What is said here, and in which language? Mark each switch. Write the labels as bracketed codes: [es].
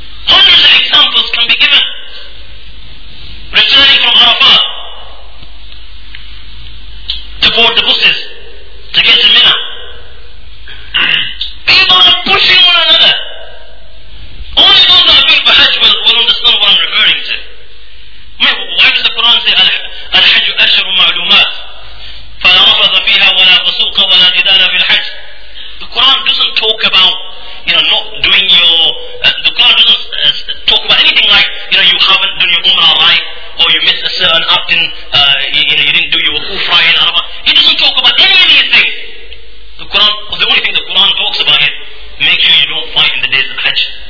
[en] Hundreds of examples can be given. Returning from Arafat to board the buses to get to Mina. People are pushing one another. Only those that have been for Hajj will understand what I'm referring to. Why does the Quran say Al-Hajj Ashhur Ma'lumat [ar] فَلَا رَفَثَ فِيهَا وَلَا فُسُوقَ وَلَا جِدَالَ فِي الْحَجِ. [en] The Quran doesn't talk about, you know, not doing your the Quran doesn't talk about anything like, you know, you haven't done your Umrah right, or you missed a certain act in, you know, you didn't do your wukuf right in Arafah. He doesn't talk about any of these things. The Quran, the only thing the Quran talks about is make sure you don't fight in the days of Hajj.